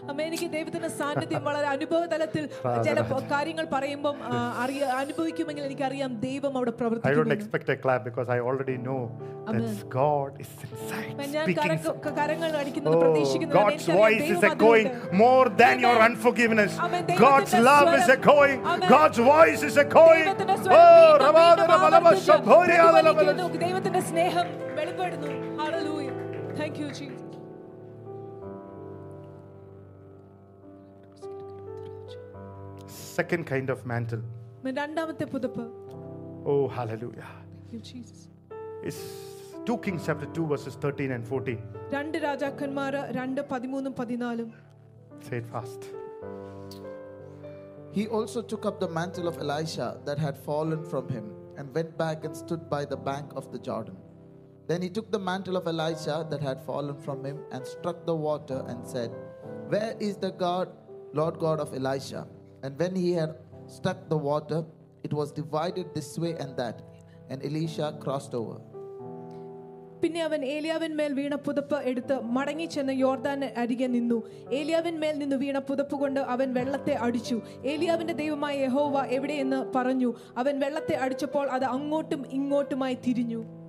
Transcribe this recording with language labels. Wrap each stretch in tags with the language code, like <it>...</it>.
<ml>അമേനിക്ക് ദൈവത്തിന്റെ സാന്നിധ്യം വളരെ അനുഭവതലത്തിൽ ചില കാര്യങ്ങൾ പറയുമ്പോൾ അനുഭവിക്കുമെങ്കിൽ എനിക്ക് അറിയാം ദൈവം അവിടെ പ്രവർത്തിക്കുന്നു.</ml> <en>I don't expect a clap because I already know that God is inside speaking. Oh, God's voice is echoing more than your unforgiveness. God's love is echoing. God's voice is echoing. Oh, ravadana balava shabhori adala balava</en> <ml>ദൈവത്തിന്റെ സ്നേഹം വെളിപ്പെടുന്നു.</ml> <en>Hallelujah. Thank you Jesus. Second kind of mantle.</en> <ml>Men randamathe pudappu.</ml> <en>Oh hallelujah. Thank you Jesus. It's 2 Kings chapter 2 verses 13 and 14.</en> <ml>Randu rajakanmara 2 13 um 14 um.</ml> <en>Say it fast. He also took up the mantle of Elisha that had fallen from him and went back and stood by the bank of the Jordan. Then he took the mantle of Elisha that had fallen from him and struck the water and said, "Where is the God, Lord God of Elisha?" And when he had struck the water, it was divided this way and that, and Elisha crossed over.</en> <ml>പിന്നെ അവൻ ഏലിയാവിൻ മേൽ വീണ പുതപ്പ് എടുത്ത് മടങ്ങി ചെന്ന് യോർദാൻ അരികെ നിന്നു. ഏലിയാവിൻ മേൽ നിന്ന് വീണ പുതപ്പ് കൊണ്ട് അവൻ വെള്ളത്തെ അടിച്ചു. ഏലിയാവിന്റെ ദൈവമായ യഹോവ എവിടെയെന്ന് പറഞ്ഞു. അവൻ വെള്ളത്തെ അടിച്ചപ്പോൾ അത് അങ്ങോട്ടും ഇങ്ങോട്ടുമായി തിരിഞ്ഞു.</ml>